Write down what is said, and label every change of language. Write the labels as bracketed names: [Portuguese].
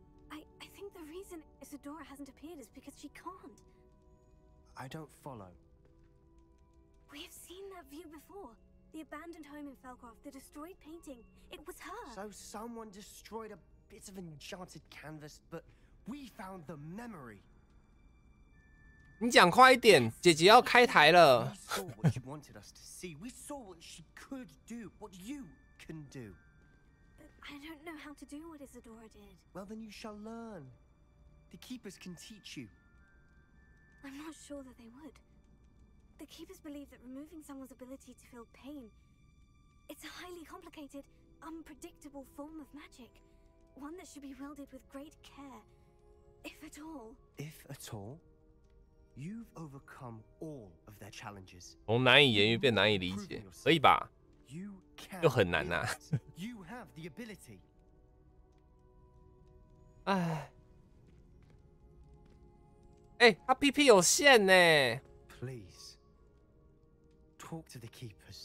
[English] I think the reason Isadora hasn't appeared is because she can't. I don't follow. We have seen that view before. The abandoned home in Felgraf, the destroyed painting. It was her. So someone destroyed a bit of enchanted canvas, but. We found the memory. [Chinese] 你讲快一点，姐姐要开台了。 [English] We saw what she wanted us to see. We saw what she could do, what you can do. I don't know how to do what Isadora did. Well, then you shall learn. The keepers can teach you. I'm not sure that they would. The keepers believe that removing someone's ability to feel pain, it's a highly complicated, unpredictable form of magic, one that should be wielded with great care. If at all, if at all, you've overcome all of their challenges. [Chinese] 从难以言喻变难以理解，可以吧？又很难呐。 [English] You have the ability. [Chinese] 哎，他 PP 有限呢。 [English] Please talk to the keepers.